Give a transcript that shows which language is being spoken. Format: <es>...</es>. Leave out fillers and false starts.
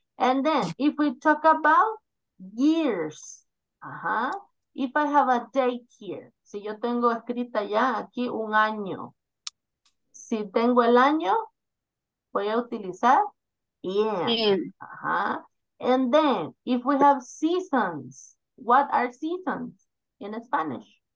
<en>And then, if we talk about years, uh-huh. If I have a date here,</en> <es>si yo tengo escrita ya aquí un año, si tengo el año, voy a utilizar in. Uh-huh.</es> <en>And then, if we have seasons, what are seasons in Spanish?</en>